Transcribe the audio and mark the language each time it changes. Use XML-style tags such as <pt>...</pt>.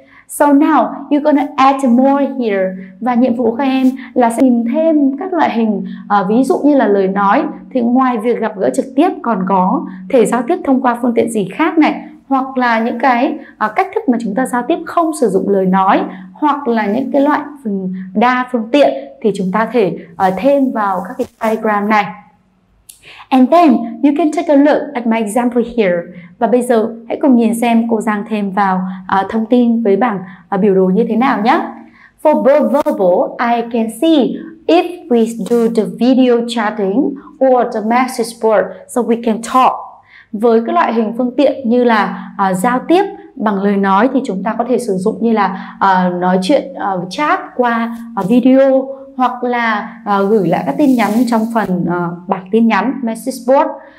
<en>So now, you're gonna add more here.</en> <vi>Và nhiệm vụ của em là sẽ tìm thêm các loại hình, ví dụ như là lời nói, thì ngoài việc gặp gỡ trực tiếp còn có thể giao tiếp thông qua phương tiện gì khác này, hoặc là những cái cách thức mà chúng ta giao tiếp không sử dụng lời nói, hoặc là những cái loại đa phương tiện thì chúng ta thể thêm vào các cái diagram này.</vi> <en>And then you can take a look at my example here.</en> <vi>Và bây giờ hãy cùng nhìn xem cô Giang thêm vào thông tin với bảng biểu đồ như thế nào nhé.</vi> <en>For both verbal, I can see if we do the video chatting or the message board so we can talk.</en> <vi>Với các loại hình phương tiện như là giao tiếp bằng lời nói thì chúng ta có thể sử dụng như là nói chuyện chat qua video, hoặc là gửi lại các tin nhắn trong phần bảng tin nhắn, message board.</vi>